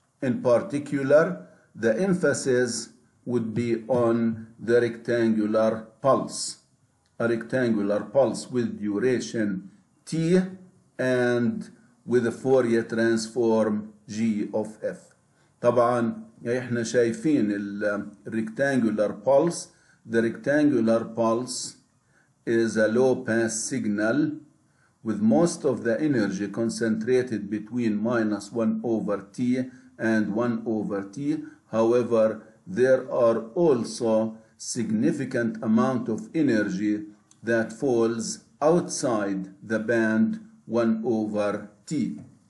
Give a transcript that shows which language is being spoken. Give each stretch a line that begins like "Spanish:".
English: In particular, the emphasis would be on the rectangular pulse. A rectangular pulse with duration T and with a Fourier transform G of F.
Arabic: طبعا احنا شايفين ال rectangular pulse.
English: The rectangular pulse is a low pass signal with most of the energy concentrated between minus 1 over T and 1 over T. However, there are also significant amount of energy that falls outside the band 1 over T.